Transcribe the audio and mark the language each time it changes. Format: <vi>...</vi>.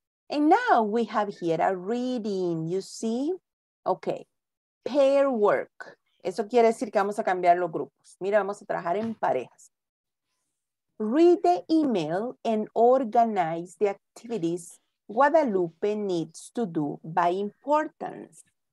<en>And now we have here a reading, you see? Okay, pair work.</en> <es>Eso quiere decir que vamos a cambiar los grupos. Mira, vamos a trabajar en parejas.</es> <en>Read the email and organize the activities Guadalupe needs to do by importance.</en>